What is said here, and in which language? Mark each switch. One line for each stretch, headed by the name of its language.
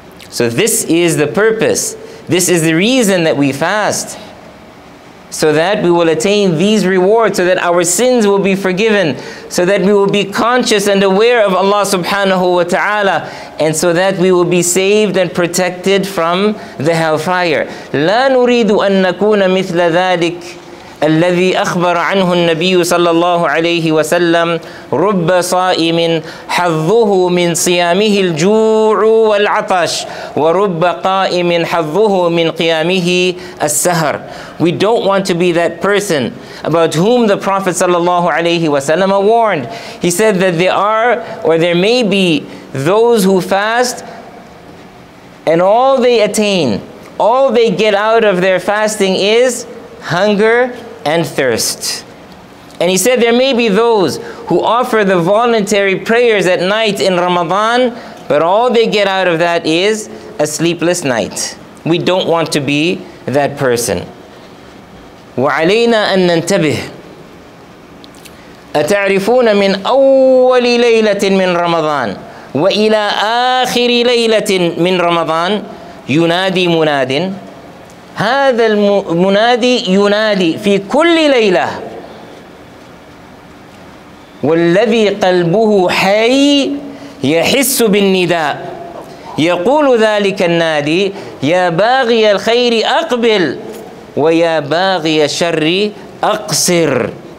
English: So this is the purpose. This is the reason that we fast. so that we will attain these rewards, so that our sins will be forgiven, so that we will be conscious and aware of Allah subhanahu wa ta'ala, and so that we will be saved and protected from the hellfire.
Arabic: لا نريد أن نكون مثل ذلك الذي أخبر عنه النبي صلى الله عليه وسلم رب صائم حظه من صيامه الجوع والعطش ورب قائم حظه من قيامه السهر.
English: We don't want to be that person about whom the Prophet صلى الله عليه وسلم warned. He said that there may be those who fast, and all they attain, all they get out of their fasting is hunger and thirst. And he said there may be those who offer the voluntary prayers at night in Ramadan, but all they get out of that is a sleepless night. We don't want to be that person.
Arabic: وعلينا أن ننتبه أتعرفون من أول ليلة من رمضان وإلى آخر ليلة من رمضان ينادي مناد. هذا المنادي ينادي في كل ليلة والذي قلبه حي يحس بالنداء يقول ذلك النادي يا باغي الخير أقبل ويا باغي الشر أقصر.